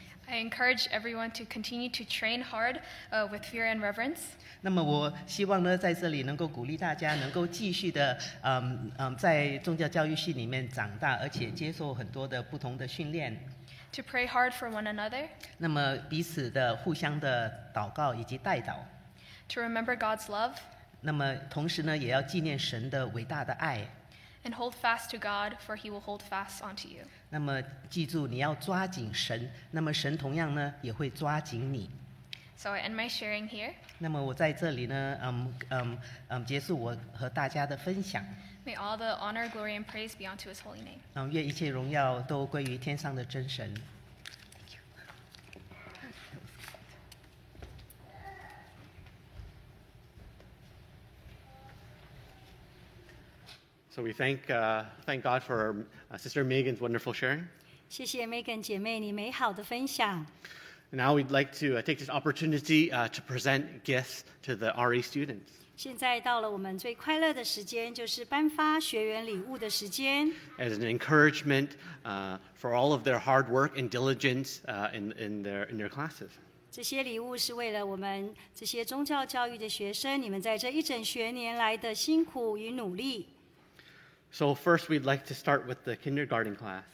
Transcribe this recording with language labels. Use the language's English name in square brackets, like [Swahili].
[English] I encourage everyone to continue to train hard with fear and reverence. [Chinese] 那么我希望呢, 在这里能够鼓励大家, 能够继续的, 在宗教教育系里面长大, 而且接受很多的不同的训练。 [English] To pray hard for one another. [Chinese] 那么彼此的互相的祷告以及代祷。 [English] To remember God's love. [Chinese] 那么同时呢, 也要纪念神的伟大的爱。 [English] And hold fast to God, for he will hold fast onto you. [Chinese] 那么记住你要抓紧神, 那么神同样呢, 也会抓紧你。 [English] So I end my sharing here. [Chinese] 那么我在这里呢, 结束我和大家的分享。 [English] May all the honor, glory, and praise be unto his holy name. [Chinese] 愿一切荣耀都归于天上的真神。 [English] So we thank God for Sister Megan's wonderful sharing. [Chinese] 谢谢 Megan姐妹你美好的分享。 [English] Now we'd like to take this opportunity to present gifts to the RE students. [Chinese] 现在到了我们最快乐的时间，就是颁发学员礼物的时间。 [English] As an encouragement for all of their hard work and diligence in their classes. [Chinese] 这些礼物是为了我们这些宗教教育的学生，你们在这一整学年来的辛苦与努力。 [English] So first, we'd like to start with the kindergarten class.